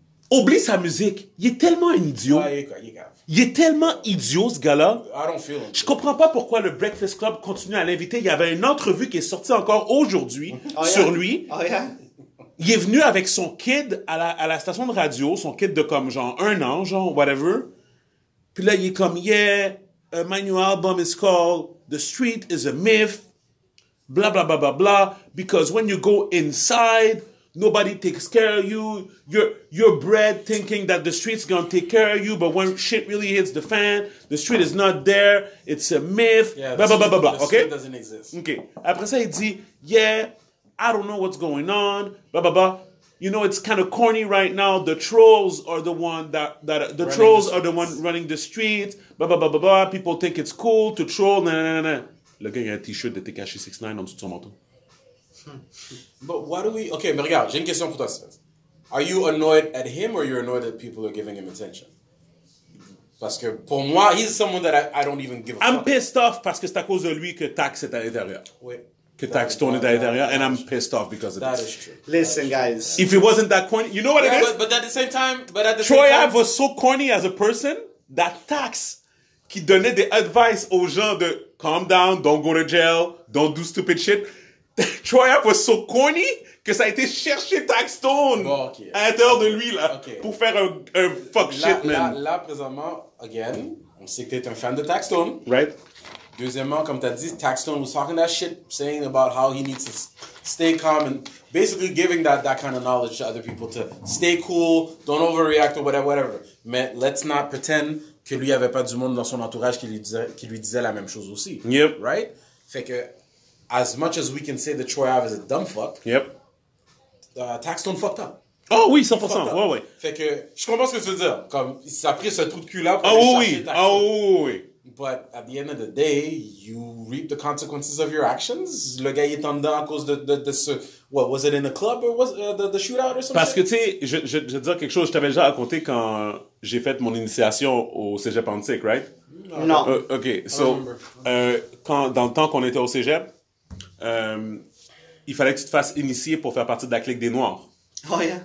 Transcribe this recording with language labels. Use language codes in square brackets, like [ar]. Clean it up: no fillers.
[fr] Oublie sa musique. Il est tellement un idiot. Il est tellement idiot, ce gars-là. [en] I don't feel [fr] Je comprends pas pourquoi le Breakfast Club continue à l'inviter. Il y avait une entrevue qui est sortie encore aujourd'hui sur lui. [en] Oh, yeah? [fr] Il est venu avec son kid à la station de radio, son kid de comme genre un an, genre whatever. Puis là, il est comme, yeah, [en] my new album is called The Street is a Myth, blah, blah, blah, blah, blah, because when you go inside, nobody takes care of you. You're bred thinking that the street's going to take care of you, but when shit really hits the fan, the street is not there. It's a myth. Yeah, blah, blah, blah, blah, blah. Okay? The street doesn't exist. Okay. [fr] Après ça, il dit, [en] yeah, I don't know what's going on, blah, blah, blah. You know, it's kind of corny right now. The trolls are the one running the streets. Blah, blah, blah, blah, blah. People think it's cool to troll. Nah, nah, nah, nah. [fr] Le gars, il y a un t-shirt de Tekashi 6ix9ine en dessous de son manteau. [en] But why do we... [fr] Okay, mais regarde, j'ai une question pour toi. [en] Are you annoyed at him or you're annoyed that people are giving him attention? [fr] Parce que pour moi, [en] he's someone that I don't even give a fuck. I'm pissed off [fr] parce que c'est à cause de lui que Tax est à l'intérieur. Oui. Que Tax tourne derrière, [en] and I'm pissed off because of that. That is true. Listen, guys. If it wasn't that corny, you know what it is? But at the same time, Troy Ave was so corny as a person that Tax, [fr] qui donnait des advice aux gens de [en] calm down, don't go to jail, don't do stupid shit. Troy Ave was so corny [fr] que ça a été chercher Tax Stone à l'intérieur de lui là pour faire un [en] fuck shit, man. [fr] Là, présentement, again, on sait que t'es un fan de Tax Stone. [en] Right. [fr] Deuxièmement, comme t'as dit, [en] Tax Stone was talking that shit, saying about how he needs to stay calm and basically giving that kind of knowledge to other people to stay cool, don't overreact or whatever. [fr] Mais [en] let's not pretend [fr] que lui avait pas du monde dans son entourage qui lui disait la même chose aussi. [en] Yep. Right? [fr] Fait que, [en] as much as we can say that Troy Ave is a dumb fuck, yep. Tax Stone fucked up. [fr] Oh oui, 100%. Ouais, ouais. Fait que, je comprends ce que tu veux dire. Comme, ça a pris ce trou de cul-là pour aller chercher Tax Stone. Oh oui, oh oui. [en] But at the end of the day, you reap the consequences of your actions. [fr] Le gars est en dedans à cause de ce... [en] What, was it in the club or was the shootout or something? [fr] Parce que, tu sais, je vais te dire quelque chose. Je t'avais déjà raconté quand j'ai fait mon initiation au cégep antique, right? Non. OK, so, dans le temps qu'on était au cégep, il fallait que tu te fasses initier pour faire partie de la clique des Noirs. [en] Oh, yeah.